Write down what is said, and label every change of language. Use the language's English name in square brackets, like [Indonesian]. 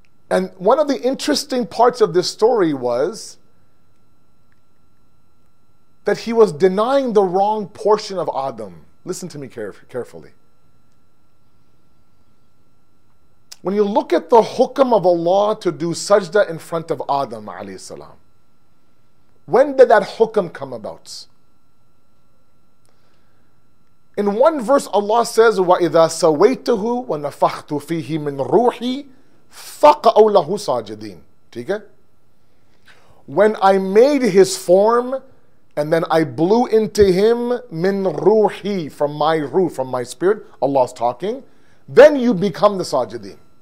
[English] And one of the interesting parts of this story was that he was denying the wrong portion of Adam. Listen to me carefully. When you look at the hukam of Allah to do sajda in front of Adam alayhi salam, when did that hukam come about? In one verse, Allah says, [Arabic] وَإِذَا سَوَيْتُهُ وَنَفَخْتُ فِيهِ مِنْ رُوحِ فَقَعُوا لَهُ سَاجِدِينَ. [English] When I made his form, and then I blew into him min ruhi, from my ruh, from my spirit, Allah's talking, then you become the sajidin.